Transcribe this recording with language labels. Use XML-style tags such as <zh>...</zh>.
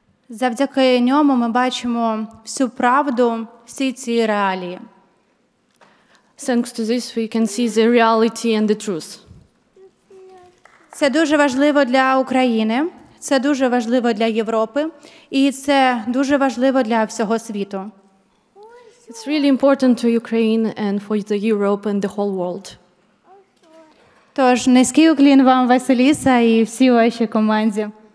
<uk>Завдяки ньому ми бачимо всю правду, всі ці реалії.</uk> <en>Thanks to this, we can see the reality and the truth.</en> <uk>Це дуже важливо для України. Це дуже важливо для Європи, і це дуже важливо для всього світу.</uk> <en>It's really important to Ukraine and for the Europe and the whole world.</en> <uk>Тож, низький уклін вам, Василіса, і всій вашій команді.</uk>